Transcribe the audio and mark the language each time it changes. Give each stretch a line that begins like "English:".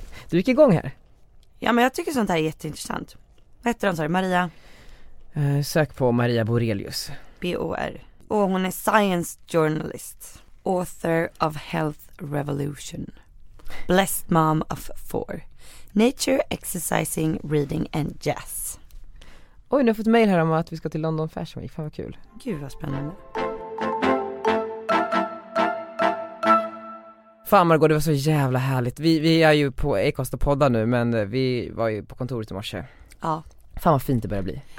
Swedish: Du gick igång här. Ja, men jag tycker sånt här är jätteintressant. Vad heter hon, sa du? Maria? Sök på Maria Borelius. B-O-R. Och hon är
English: science journalist. Author of Health Revolution. Blessed mom of four. Nature, exercising, reading and jazz.
Swedish: Oj, nu har jag fått mail här om att vi ska till London Fashion Week. Fan vad kul. Gud vad spännande. Fan Margot, det var så jävla härligt. Vi är ju på Ekost och podda nu, men vi var ju på kontoret i morse. Ja. Fan vad fint det börjar bli.